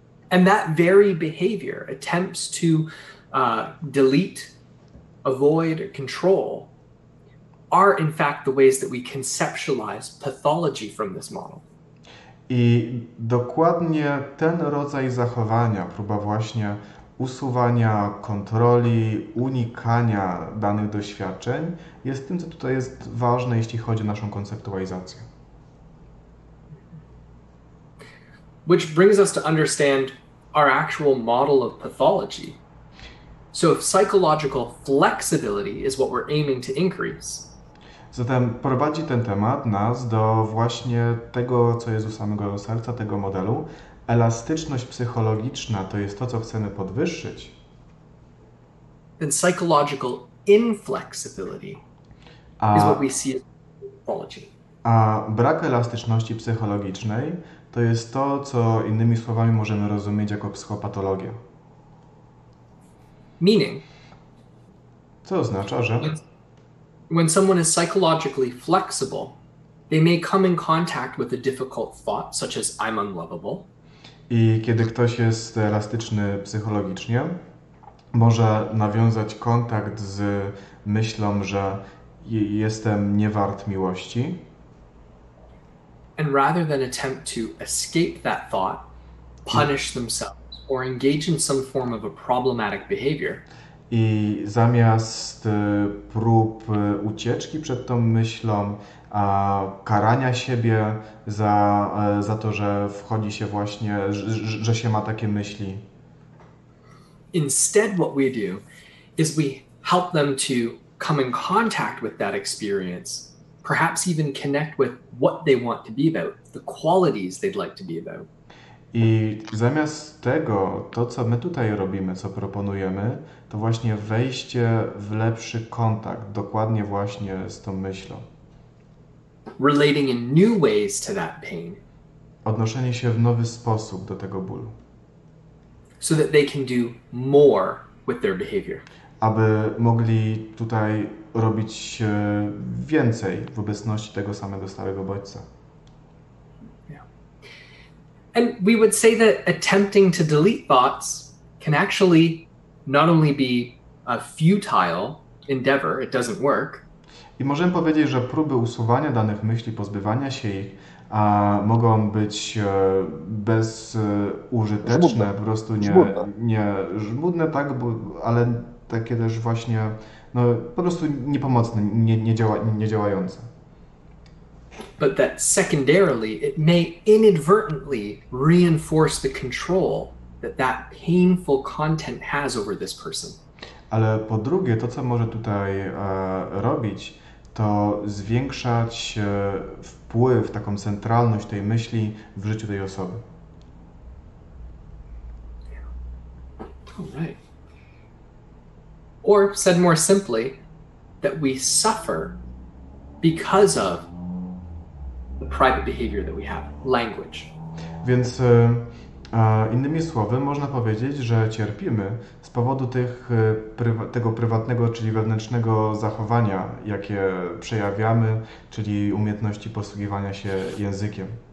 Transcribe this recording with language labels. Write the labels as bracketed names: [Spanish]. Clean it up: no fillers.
[English] And that very behavior, attempts to delete, avoid, or control, are in fact the ways that we conceptualize pathology from this model. [Polish] I dokładnie ten rodzaj zachowania, próba właśnie usuwania kontroli, unikania danych doświadczeń, jest tym, co tutaj jest ważne, jeśli chodzi o naszą konceptualizację. [English] Which brings us to understand our actual model of pathology. So if psychological flexibility is what we're aiming to increase. [Polish] Zatem prowadzi ten temat nas do właśnie tego, co jest u samego serca tego modelu. Elastyczność psychologiczna to jest to, co chcemy podwyższyć. [English] Then psychological inflexibility is what we see as pathology. [Polish] A brak elastyczności psychologicznej to jest to, co innymi słowami możemy rozumieć jako psychopatologię. [English] Meaning. [Polish] Co oznacza, że [English] when someone is psychologically flexible, they may come in contact with a difficult thought, such as I'm unlovable. [Polish] I kiedy ktoś jest elastyczny psychologicznie, może nawiązać kontakt z myślą, że jestem niewart miłości. [English] And rather than attempt to escape that thought, punish themselves, or engage in some form of a problematic behavior. [Polish] I zamiast prób ucieczki przed tą myślą, karania siebie za to, że wchodzi się właśnie, że się ma takie myśli. [English] Instead, what we do is we help them to come in contact with that experience. Perhaps even connect with what they want to be about, the qualities they'd like to be about. [Polish] I zamiast tego, to co my tutaj robimy, co proponujemy, to właśnie wejście w lepszy kontakt, dokładnie właśnie z tą myślą. [English] Relating in new ways to that pain. [Polish] Odnoszenie się w nowy sposób do tego bólu. [English] So that they can do more with their behavior. [Polish] Aby mogli tutaj robić więcej w obecności tego samego starego bodźca. [English] Yeah. And we would say that attempting to delete thoughts can actually not only be a futile endeavor, it doesn't work. [Polish] I możemy powiedzieć, że próby usuwania danych myśli, pozbywania się ich, mogą być bezużyteczne, po prostu nie żmudne, tak, ale takie też właśnie, no, po prostu niepomocne, nie działające. [English] But that secondarily, it may inadvertently reinforce the control that painful content has over this person. [Polish] Ale po drugie, to co może tutaj robić, to zwiększać wpływ, taką centralność tej myśli w życiu tej osoby. [English] All right. Or said more simply, that we suffer because of the private behavior that we have, language. [Polish] Więc innymi słowy, można powiedzieć, że cierpimy z powodu tego prywatnego, czyli wewnętrznego zachowania, jakie przejawiamy, czyli umiejętności posługiwania się językiem.